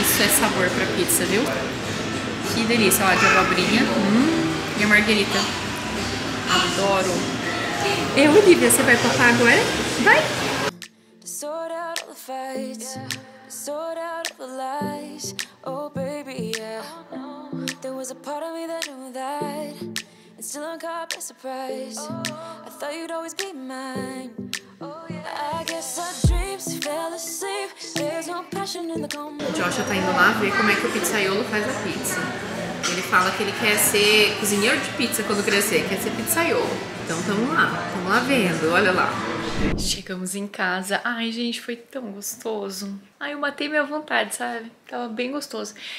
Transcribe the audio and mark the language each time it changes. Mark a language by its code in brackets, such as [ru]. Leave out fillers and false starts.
[pt] Isso é sabor pra pizza, viu? Que delícia, ó, de abobrinha. E a marguerita. Adoro. E aí, Olivia, você vai colocar agora? Vai! [en] Sort out the fights, sort out for lies. Oh, baby, yeah. There was a part of me that knew that. And still I'm caught by surprise. I thought you'd always be mine. Oh, yeah. I guess our dreams fell asleep. There's no passion in the cold. [pt] O Joshua tá indo lá ver como é que o pizzaiolo faz a pizza. Ele fala que ele quer ser cozinheiro de pizza quando crescer, quer ser pizzaiolo. Então tamo lá vendo, olha lá. Chegamos em casa. Ai, gente, foi tão gostoso. Ai, eu matei minha vontade, sabe? Tava bem gostoso.